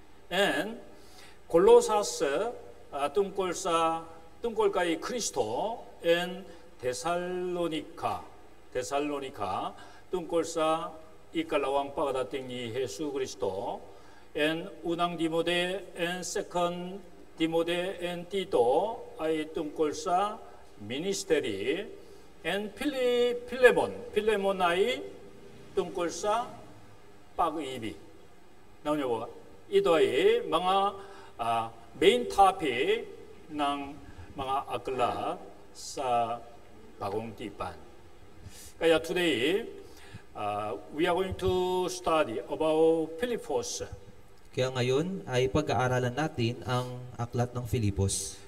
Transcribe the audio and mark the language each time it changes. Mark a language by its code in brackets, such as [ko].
[tl] And Colossus, tungkol kay Kristo, and Thessalonica, tungkol sa ikalawang pagdating ni Jesu Kristo, and unang Timote, and second Timote, and Tito, ay tungkol sa ministry, and Philemon ay tungkol sa pag-ibig. Naunyo ba? Ito ay mga main topic ng mga akla sa bagong tipan. [en] Kaya today, we are going to study about Philippians. [tl] Kaya ngayon ay pag-aaralan natin ang aklat ng Philippians.